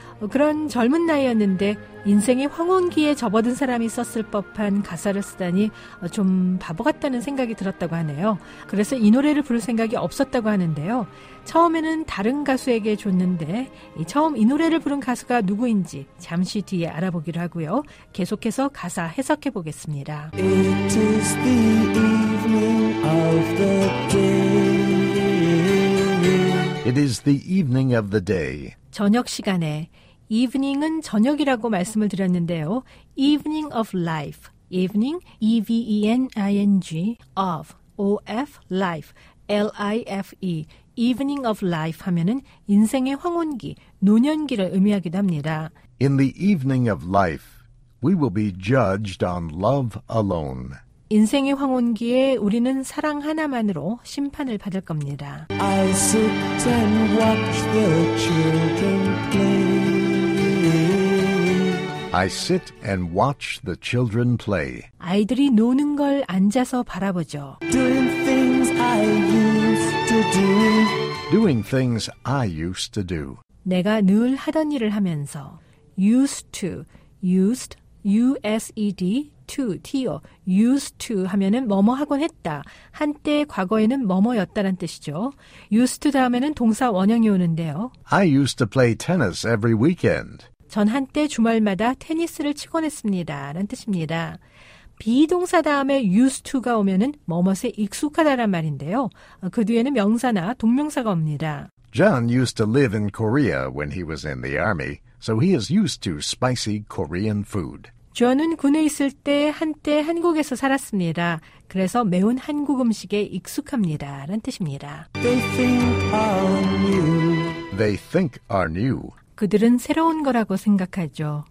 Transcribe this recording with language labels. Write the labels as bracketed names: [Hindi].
[Korean] 그런 젊은 나이였는데 인생의 황혼기에 접어든 사람이 썼을 법한 가사를 쓰다니 좀 바보 같다는 생각이 들었다고 하네요. 그래서 이 노래를 부를 생각이 없었다고 하는데요. 처음에는 다른 가수에게 줬는데 처음 이 노래를 부른 가수가 누구인지 잠시 뒤에 알아보기로 하고요. 계속해서 가사 해석해 보겠습니다. [English] It is the evening of the day. It is the evening of the day. [Korean] 저녁 시간에 evening은 저녁이라고 말씀을 드렸는데요. [English] evening of life. evening, E-V-E-N-I-N-G, of, O-F, life, L-I-F-E. evening of life [Korean] 하면은 인생의 황혼기, 노년기를 의미하기도 합니다. [English] In the evening of life, we will be judged on love alone. [Korean] 인생의 황혼기에 우리는 사랑 하나만으로 심판을 받을 겁니다. [English] I sit and watch the children play. I sit and watch the children play. [Korean] 아이들이 노는 걸 앉아서 바라보죠. [English] Doing things I used to do. Doing things I used to do. [Korean] 내가 늘 하던 일을 하면서 [English] used to, used, U-S-E-D, to, T-O, used to [Korean] 하면은 뭐뭐 하곤 했다. 한때 과거에는 뭐뭐였다란 뜻이죠. used to 다음에는 동사 원형이 오는데요. [English] I used to play tennis every weekend. [Korean] 전 한때 주말마다 테니스를 치곤 했습니다. 라는 뜻입니다. 비동사 다음에 used to가 오면은 뭐뭐에 익숙하다란 말인데요. 그 뒤에는 명사나 동명사가 옵니다. [English] John used to live in Korea when he was in the army, so he is used to spicy Korean food. [Korean] 저는 군에 있을 때 한때 한국에서 살았습니다. 그래서 매운 한국 음식에 익숙합니다. 라는 뜻입니다. [English] They think are new. They think are new. [Korean] 그들은 새로운 거라고 생각하죠.